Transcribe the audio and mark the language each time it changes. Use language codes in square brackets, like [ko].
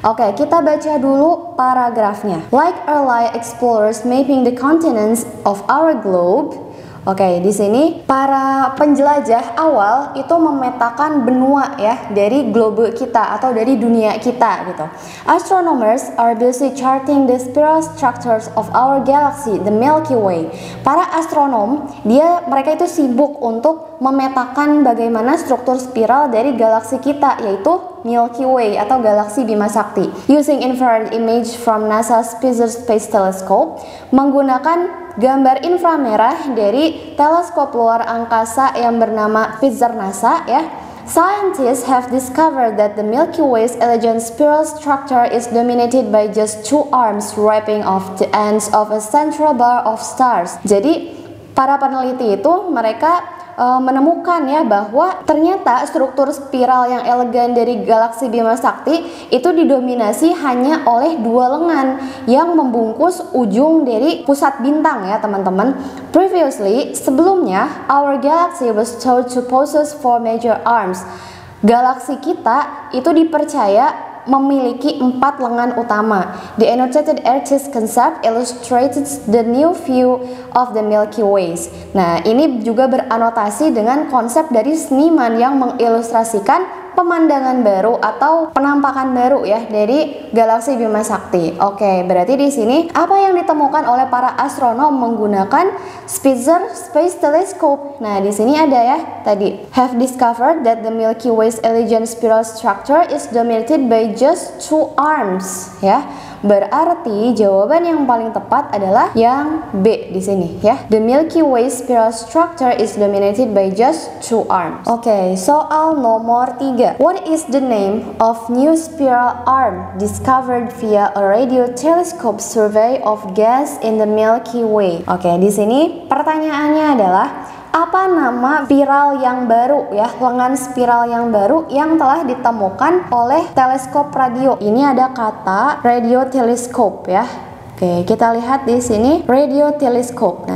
[id] Oke, kita baca dulu paragrafnya. [en] Like early explorers mapping the continents of our globe. [id] Oke, di sini para penjelajah awal itu memetakan benua ya dari globe kita atau dari dunia kita gitu. [en] Astronomers are busy charting the spiral structures of our galaxy, the Milky Way. [id] Para astronom, mereka itu sibuk untuk memetakan bagaimana struktur spiral dari galaksi kita yaitu Milky Way atau galaksi Bima Sakti. [en] Using infrared image from NASA Spitzer Space Telescope, [id] menggunakan gambar inframerah dari teleskop luar angkasa yang bernama Spitzer NASA ya. [en] Scientists have discovered that the Milky Way's elegant spiral structure is dominated by just two arms wrapping off the ends of a central bar of stars. [id] Jadi, para peneliti itu mereka menemukan ya bahwa ternyata struktur spiral yang elegan dari galaksi Bima Sakti itu didominasi hanya oleh dua lengan yang membungkus ujung dari pusat bintang ya teman-teman. [en] Previously, [id] sebelumnya [en] our galaxy was thought to possess four major arms. [id] Galaksi kita itu dipercaya memiliki empat lengan utama. [en] The annotated artist concept illustrated the new view of the Milky Way. [id] Nah, ini juga beranotasi dengan konsep dari seniman yang mengilustrasikan pemandangan baru atau penampakan baru ya dari galaksi Bima Sakti. Oke, berarti di sini apa yang ditemukan oleh para astronom menggunakan Spitzer Space Telescope? Nah, di sini ada ya tadi [en] have discovered that the Milky Way's elegant spiral structure is dominated by just two arms ya. [id] Berarti jawaban yang paling tepat adalah yang B di sini ya. [en] The Milky Way spiral structure is dominated by just two arms. [id] Okay, soal nomor 3. [en] What is the name of new spiral arm discovered via a radio telescope survey of gas in the Milky Way? [id] Okay, di sini pertanyaannya adalah apa nama spiral yang baru ya, lengan spiral yang baru yang telah ditemukan oleh teleskop radio. Ini ada kata radio telescope ya. Oke, kita lihat di sini radio telescope.